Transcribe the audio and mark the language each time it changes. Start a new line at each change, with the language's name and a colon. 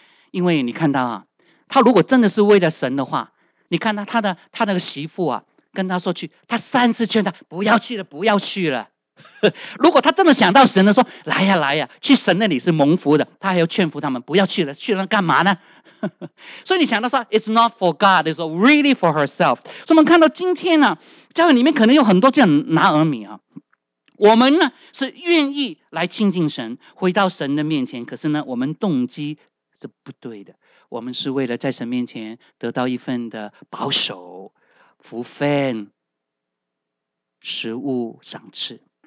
Chinese: 因为你看到啊，他如果真的是为了神的话，你看到他那个媳妇啊，跟他说去，他三次劝他不要去了，不要去了。如果他真的想到神了，说来呀来呀，去神那里是蒙福的，他还要劝服他们不要去了，去了干嘛呢？所以你想到说
English: ，it's not for God， it's really for herself。
Chinese: 所以我们看到今天呢、啊，教会里面可能有很多这样拿儿米啊，我们呢是愿意来亲近神，回到神的面前，可是呢，我们动机是不对的。我们是为了在神面前得到一份的保守、福分、食物、赏赐。